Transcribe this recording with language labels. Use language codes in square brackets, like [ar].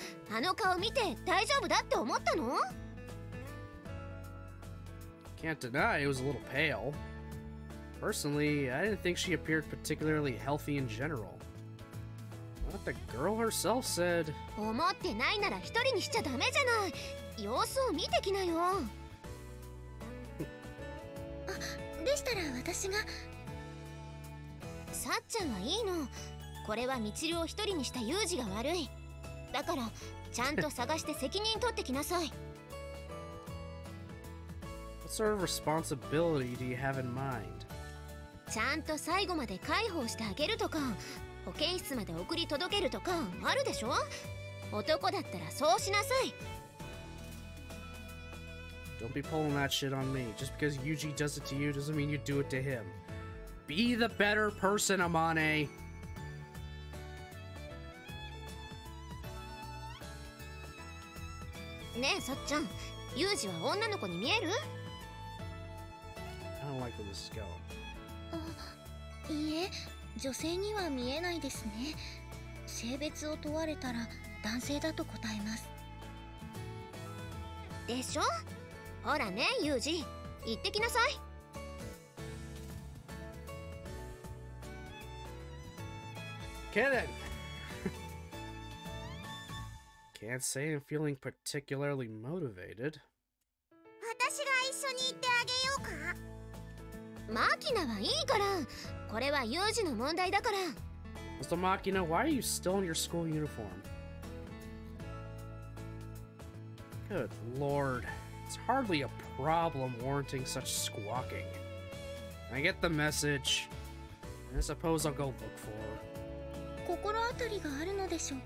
[ja] あの顔見て大丈夫だって思ったの？ [en] Can't deny it was a little pale. Personally, I didn't think she appeared particularly healthy in general. What the girl herself said... [ja] 思ってないなら一人にしちゃダメじゃない。様子を見てきなよ。あ、でしたら私が。さっちゃんはいいの。これはミチルを一人にしたユージが悪い。だからちゃんと探して責任取ってきなさい。 [en] What sort of responsibility do you have in mind? [ja] ちゃんと最後まで解放してあげるとか、保健室まで送り届けるとかあるでしょ。男だったらそうしなさい。 [en] Don't be pulling that shit on me. Just because Yuji does it to you doesn't mean you do it to him. Be the better person, Amane! [ja] ねえ、さっちゃん。ユージは女の子に見える？ [en] I don't like where this is going. [ja] いいえ、女性には見えないですね。性別を問われたら男性だと答えます。でしょ？ほらね、ユージ、行ってきなさい。 [en] Kenan! Can't say I'm feeling particularly motivated. [ja] 私が一緒に行ってあげようか。マキナはいいから。これはユージの問題だから。 [en] Mr. Makina, why are you still in your school uniform? Good lord. It's hardly a problem warranting such squawking. I get the message. I suppose I'll go look for her.